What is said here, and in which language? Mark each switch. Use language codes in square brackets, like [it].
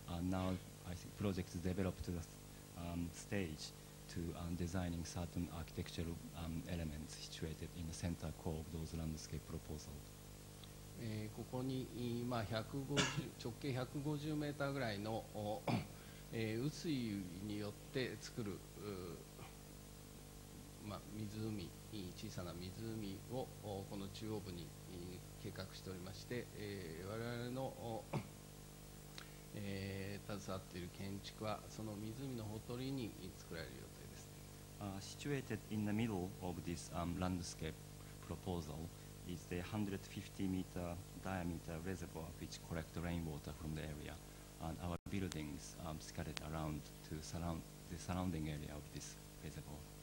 [en] Now I think project is developed to the stage. To designing certain architectural elements situated in the center core of those landscape proposals. [ja] ここに直径150メーターぐらいの雨水によって作るまあ、湖、小さな湖をこの中央部に計画しておりまして、我々の携わっている建築はその湖のほとりに作られる予定です。 [en] Situated in the middle of this landscape proposal is the 150 meter diameter reservoir which collects rainwater from the area, and our buildings scattered around to surround the surrounding area of this reservoir.